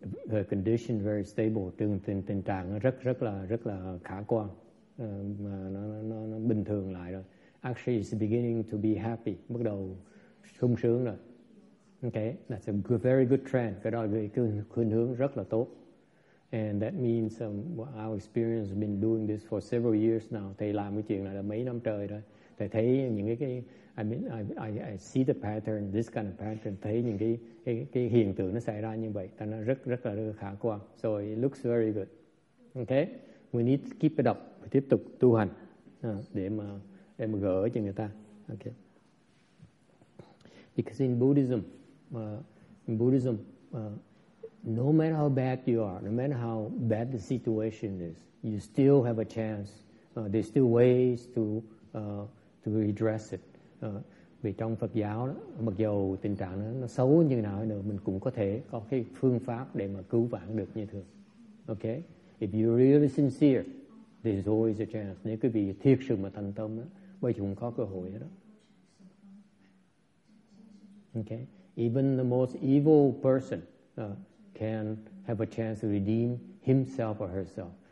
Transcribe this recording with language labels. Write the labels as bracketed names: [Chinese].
[English] her condition very stable, [Vietnamese] tình trạng rất là khả quan, nó bình thường lại rồi. [English] Actually, it's beginning to be happy, [Vietnamese] bắt đầu sung sướng rồi. [English] Okay, that's a good, very good trend. [Vietnamese] Cái đó là khuyên hướng rất là tốt. [English] And that means our experience has been doing this for several years now. [Vietnamese] Thầy làm cái chuyện này là mấy năm trời rồi. Thầy thấy những cái [English] I see the pattern, this kind of pattern. [Vietnamese] Thấy những cái hiện tượng nó xảy ra như vậy, ta nó rất là khả quan. [English] So it looks very good. Okay, we need to keep it up, [Vietnamese] tiếp tục tu hành để mà gỡ cho người ta. [English] Okay, because in Buddhism, no matter how bad you are, no matter how bad the situation is, you still have a chance. There's still ways to redress it. [Vietnamese] Vì trong Phật giáo đó, mặc dù tình trạng nó xấu như nào nữa, mình cũng có thể có cái phương pháp để mà cứu vãn được như thường. [English] Okay? If you're really sincere, there's always a chance. [Vietnamese] Nếu quý vị thiệt sự mà thành tâm đó, bây giờ cũng có cơ hội đó. [English] Okay? Even the most evil person can have a chance to redeem himself or herself.